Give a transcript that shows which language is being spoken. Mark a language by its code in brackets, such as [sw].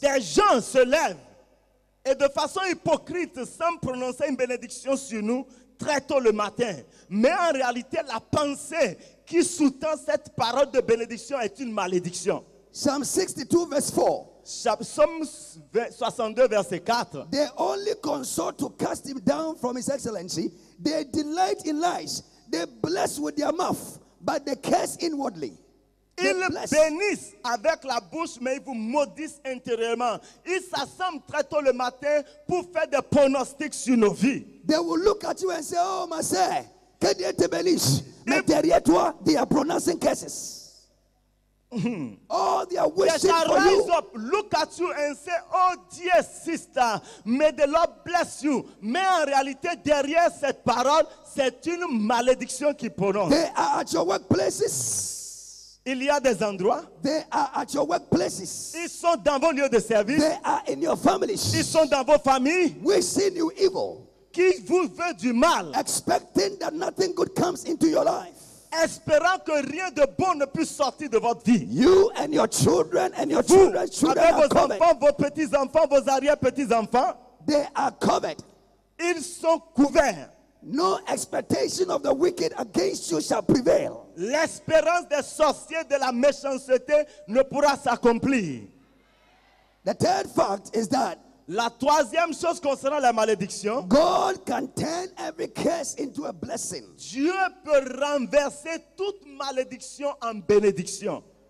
[fr] Des gens se lèvent et de façon hypocrite sans prononcer une bénédiction sur nous très tôt le matin, mais en réalité la pensée qui sous-tend cette parole de bénédiction est une malédiction. [en] Psalm 62 verse 4. [fr] Psalm 62 verset 4. [en] They only consort to cast him down from his excellency. They delight in lies. They bless with their mouth, but they curse inwardly. [fr] Ils bénissent avec la bouche, mais ils vous maudissent intérieurement. Ils s'assemblent très tôt le matin pour faire des pronostics sur nos vies. [en] They will look at you and say, [fr] oh, ma sœur, que Dieu te bénisse. Mais derrière toi, [en] they are pronouncing curses. Oh, they are wishing they shall for rise you. Up, look at you and say, oh dear sister, may the Lord bless you. [fr] Mais en réalité, derrière cette parole, c'est une malédiction qui prononce. [en] They are at your workplaces. [fr] Il y a des endroits. [en] They are at your workplaces. [fr] Ils sont dans vos lieux de service. [en] They are in your families. [fr] Ils sont dans vos familles. [en] Wishing you evil. [fr] Qui vous veut du mal. [en] Expecting that nothing good comes into your life. [fr] Espérant que rien de bon ne puisse sortir de votre vie. [en] You and your children and your children's children [fr] avec vos enfants, vos petits-enfants, vos arrière-petits-enfants. [en] They are covered. [fr] Ils sont couverts. [en] No expectation of the wicked against you shall prevail. [fr] L'espérance des sorciers de la méchanceté ne pourra s'accomplir. [en] The third fact is that [fr] la troisième chose concernant la malédiction, [en] God can turn every curse into a blessing. [fr] Dieu peut renverser toute malédiction en bénédiction.